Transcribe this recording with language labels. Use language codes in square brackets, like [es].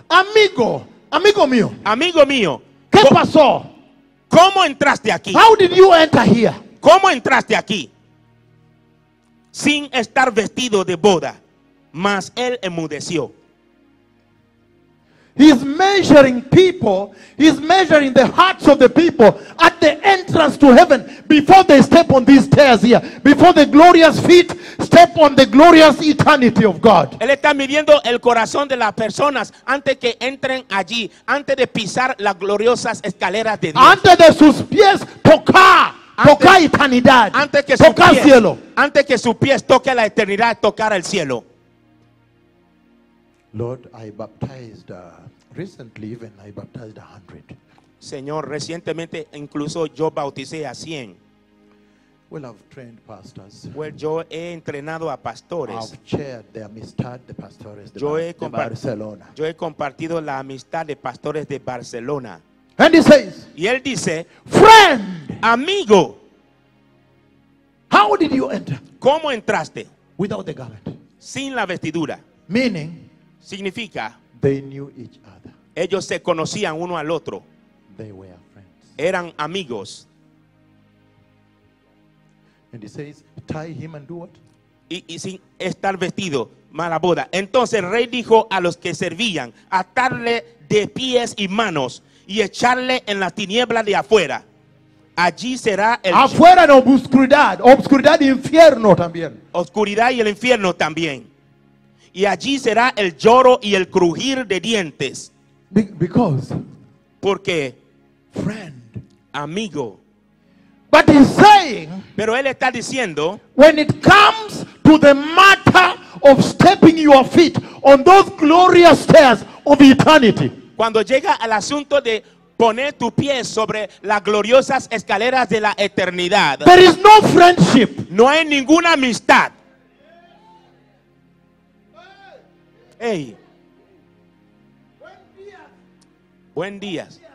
[es] amigo, amigo mío, amigo mío, ¿qué pasó? ¿Cómo entraste aquí? [en] How did you enter here? [es] ¿Cómo entraste aquí? Sin estar vestido de boda, mas él enmudeció. [en] He's measuring people. He's measuring the hearts of the people at the entrance to heaven before they step on these stairs here. Before the glorious feet step on the glorious eternity of God. [es] Él está midiendo el corazón de las personas antes que entren allí, antes de pisar las gloriosas escaleras de Dios. Antes de sus pies tocar eternidad. Antes que tocar su pie, cielo. Antes que sus pies toque la eternidad, tocar el cielo. [en] Lord, I baptized recently even I baptized 100. [es] Señor, recientemente incluso yo bauticé a 100. [en] Well, I've trained pastors. [es] Well, yo he entrenado a pastores. [en] I've chaired the [es] amistad de pastores de Barcelona. Yo he compartido la amistad de pastores de Barcelona. [en] And he says, [es] y él dice, [en] friend, [es] amigo, [en] how did you enter? [es] ¿Cómo entraste? [en] Without the garment. [es] Sin la vestidura. [en] Meaning, [es] significa, [en] they knew each other. [es] Ellos se conocían uno al otro. [en] They were friends. [es] Eran amigos. [en] And he says, tie him and do what? [es] Y sin estar vestido, mala boda. Entonces el rey dijo a los que servían, atarle de pies y manos y echarle en la tiniebla de afuera. Allí será el afuera en obscuridad, obscuridad y infierno también. Oscuridad y el infierno también. Y allí será el lloro y el crujir de dientes. [en] Because, [es] porque, [en] friend, [es] amigo. [en] But he's saying, [es] pero él está diciendo, [en] when it comes to the matter of stepping your feet on those glorious stairs of eternity, [es] cuando llega al asunto de poner tu pie sobre las gloriosas escaleras de la eternidad, [en] there is no friendship. [es] No hay ninguna amistad. [en] Hey. [es] Buen día.